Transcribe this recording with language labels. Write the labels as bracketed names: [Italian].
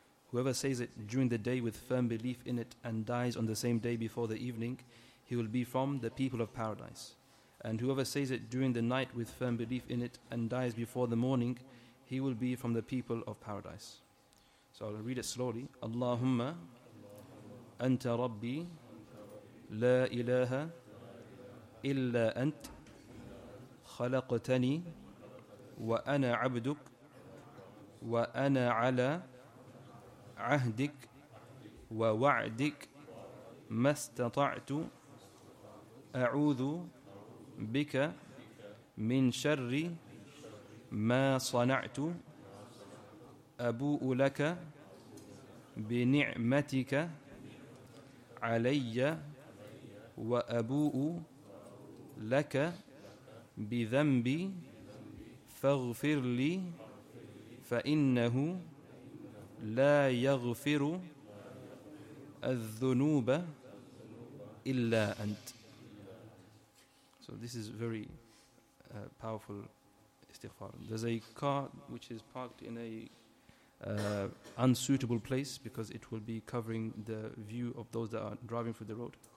[English] Whoever says it during the day with firm belief in it and dies on the same day before the evening, he will be from the people of paradise. And whoever says it during the night with firm belief in it and dies before the morning, he will be from the people of paradise. So I'll read it slowly. [Arabic] Allahumma anta rabbi la ilaha illa ant khalaqtani wa ana abduk wa ana ala ahdik wa wa'dik mastata'tu a'udhu بك من شر ما صنعت أبوء لك بنعمتك علي وأبوء لك بذنبي فاغفر لي فإنه لا يغفر الذنوب إلا أنت. [English] So this is very powerful istighfar. There's a car which is parked in a unsuitable place because it will be covering the view of those that are driving through the road.